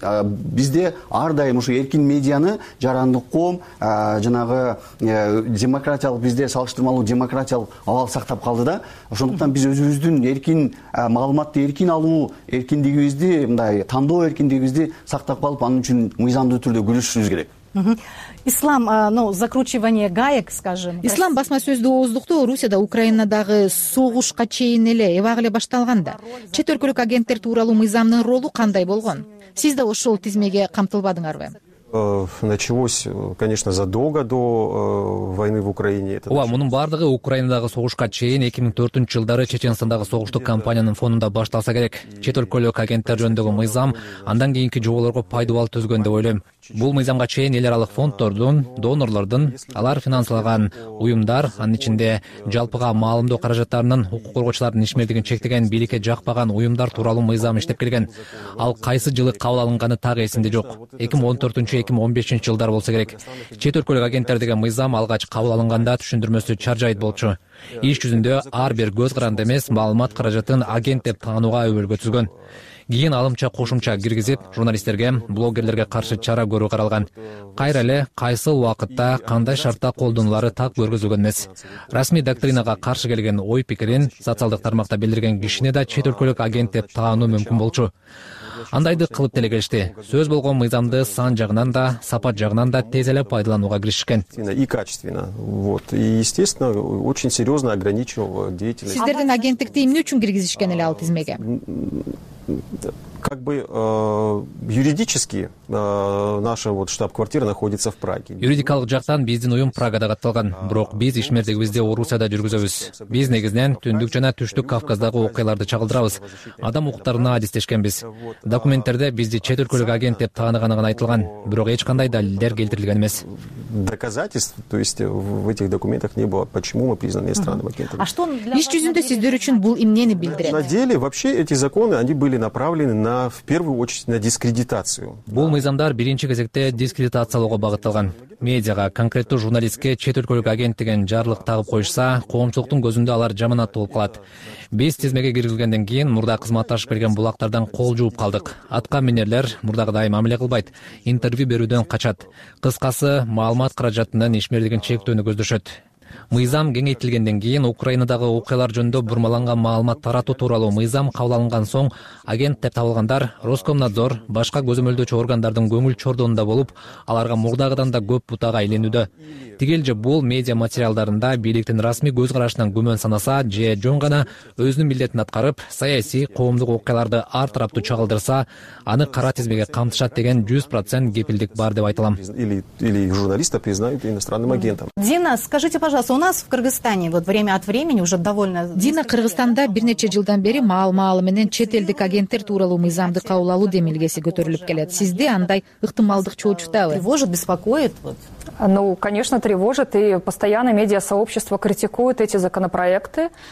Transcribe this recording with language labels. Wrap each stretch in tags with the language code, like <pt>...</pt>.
<ky>Бизде ар дайым ушу эркин медианы жарандык коом жанагы демократиялык, бизде салыштырмалуу демократиялык абал сактап калды да. Ошондуктан биз өзүбүздүн эркин маалыматты эркин алуу эркиндигибизди, мындай тандоо эркиндигибизди сактап калып, анын үчүн мыйзамдуу түрдө күрөшүшүбүз керек.</ky> <ru>Ислам, ну, закручивание гаек, скажем.</ru> <ky>Ислам басма сөздүү ооздукту Орусияда Украинадагы согушка чейин эле эбак эле башталганда чет өлкөлүк агенттер тууралуу мыйзамдын ролу кандай болгон? Сиз да ошол тизмеге камтылбадыңарбы?</ky> <ru>Началось, конечно, задолго до войны в Украине.</ru> <ky>Ооба, мунун баардыгы Украинадагы согушка чейин 2004 жылдары Чечениндагы согуштук кампаниянын фонунда башталса керек. Чет өлкөлүк агенттер жөнүндөгү мыйзам андан кийинки жоболорго пайдубал түзгөн деп ойлойм. Бул мыйзамга чейин эл аралык фонддордун, донорлордун, алар финансалаган уюмдар, анын ичинде жалпыга маалымдоо каражаттарынын укук коргоочулардын ишмердигин чектеген, бийликке жакпаган уюмдар тууралуу мыйзам иштеп келген. Ал кайсы жылы кабыл алынганы так эсимде жок. 2014-2015 жылдар болсо керек. Чет өлкөлүк агенттер деген мыйзам алгач кабыл алынганда түшүндүрмөсү чар жайыт болчу. Иш жүзүндө ар бир көз каранды эмес маалымат каражатын агент деп таанууга өбөлгө түзгөн. кийин алымча кошумча киргизип журналисттерге, блогерлерге каршы чара көрүү каралган. Кайра эле кайсыл убакытта, кандай шартта колдонулары так көргөзүлгөн эмес. Расмий доктринага каршы келген ой пикирин социалдык тармакта билдирген кишини да чет өлкөлүк агент деп таануу мүмкүн болчу. Андайды кылып деле келишти. Сөз болгон мыйзамды сан жагынан да, сапа жагынан да тез эле пайдаланууга киришкен.</ky> <ru>И качественно. Вот. И естественно, очень серьёзно ограничил деятельность.</ru> <ky>Сиздердин агенттикти эмне үчүн киргизишкен эле ал тизмеге?</ky> <ru>Как бы юридически наша вот штаб-квартира находится в Праге.</ru> <ky>Юридикалык жактан биздин уюм Прагада катталган, бирок биз ишмердигибизди Орусияда жүргүзөбүз. Биз негизинен түндүк жана түштүк Кавказдагы окуяларды чагылдырабыз. Адам укуктарына адистешкенбиз. Документтерде бизди чет өлкөлүк агент деп тааныганы гана айтылган, бирок эч кандай далилдер келтирилген эмес.</ky> <ru>Доказательств, то есть в этих документах не было, почему мы признаны иностранным агентом. А что</ru> <ky>иш жүзүндө сиздер үчүн бул эмнени билдирет?</ky> <ru>На деле вообще эти законы, они были направлены на, в первую очередь, на дискредитацию.</ru> <ky>Бул мыйзамдар биринчи кезекте дискредитациялоого багытталган. Медиага, конкреттүү журналистке чет өлкөлүк агент деген жарлык тагып коюшса, коомчулуктун көзүндө алар жаман ат болуп калат. Биз тизмеге киргизилгенден кийин мурда кызматташып берген булактардан кол жууп калдык. Атка минерлер мурдагыдай мамиле кылбайт, интервью берүүдөн качат. Кыскасы, маалымат каражатынын ишмердигин чектөөнү көздөшөт. Мыйзам кеңейтилгенден кийин Украинадагы окуялар жөнүндө бурмаланган маалымат таратуу тууралуу мыйзам кабыл алынган соң агент деп табылгандар Роскомнадзор, башка көзөмөлдөөчү органдардын көңүл чордоонунда болуп, аларга мурдагыдан да көп бутага илинүүдө. Тигил же бул медиа материалдарында бийликтин расмий көз карашынан күмөн санаса же жөн гана өзүнүн милдетин аткарып, саясий, коомдук окуяларды ар тараптуу чагылдырса, аны кара тизмеге камтышат деген 100% кепилдик бар деп айталам.</ky> <ru>Или журналиста признают иностранным агентом. Дина, скажите, пожалуйста, у нас в Кыргызстане вот время от времени уже довольно...</ru> <ky>Дина, Кыргызстанда бир нече жылдан бери маал-маалы менен чет элдик агенттер тууралуу мыйзамды кабыл алуу демилгеси көтөрүлүп келет. Сизди андай ыктымалдык чоочутабы?</ky> <ru>Тревожит, беспокоит? Вот. Ну, конечно, тревожит, и постоянно медиасообщество критикует эти законопроекты.</ru>